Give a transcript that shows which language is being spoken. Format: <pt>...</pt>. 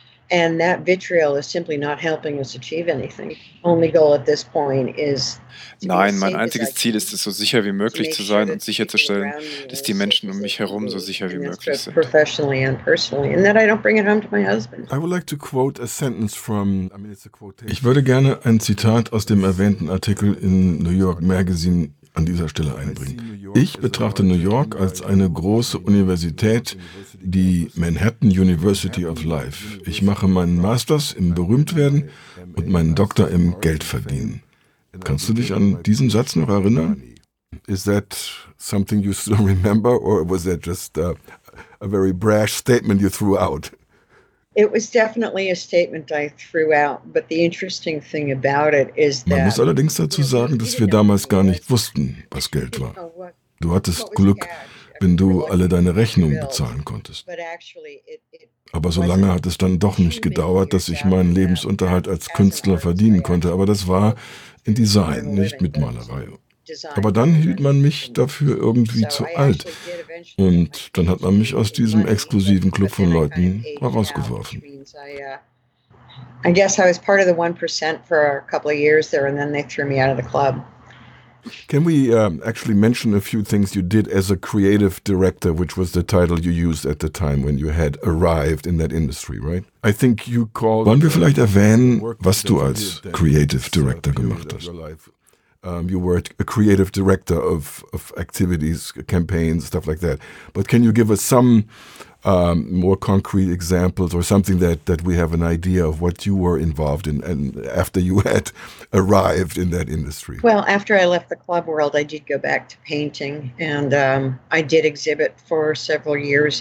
<en>And that vitriol is simply not helping us achieve anything. Only goal at this point is.</en> <de>Nein, mein einziges Ziel ist es, so sicher wie möglich zu sein und sicherzustellen, dass die Menschen um mich herum so sicher wie möglich sind.</de> <en>Professionally and personally, and that I don't bring it home to my husband. I would like to quote a sentence from. I mean, it's a quote.</en> <de>Ich würde gerne ein Zitat aus dem erwähnten Artikel in New York Magazine an dieser Stelle einbringen. Ich betrachte New York als eine große Universität, die Manhattan University of Life. Ich mache meinen Masters im Berühmtwerden und meinen Doktor im Geldverdienen. Kannst du dich an diesen Satz noch erinnern?</de> <en>Is that something you still remember or was that just a very brash statement you threw out? It was definitely a statement I threw out, but the interesting thing about it is that.</en> <de>Man muss allerdings dazu sagen, dass wir damals gar nicht wussten, was Geld war. Du hattest Glück, wenn du alle deine Rechnungen bezahlen konntest. Aber so lange hat es dann doch nicht gedauert, dass ich meinen Lebensunterhalt als Künstler verdienen konnte. Aber das war in Design, nicht mit Malerei. Aber dann hielt man mich dafür irgendwie zu alt. Und dann hat man mich aus diesem exklusiven Club von Leuten herausgeworfen.</de> <en>I guess I was part of the 1% for a couple of years there and then they threw me out of the club. Can we actually mention a few things you did as a creative director, which was the title you used at the time when you had arrived in that industry, right? I think you called.</en> <de>Wollen wir vielleicht erwähnen, was du als creative director gemacht hast?</de> <en>You were a creative director of activities, campaigns, stuff like that. But can you give us some more concrete examples or something that we have an idea of what you were involved in and after you had arrived in that industry? Well, after I left the club world, I did go back to painting and I did exhibit for several years.</en>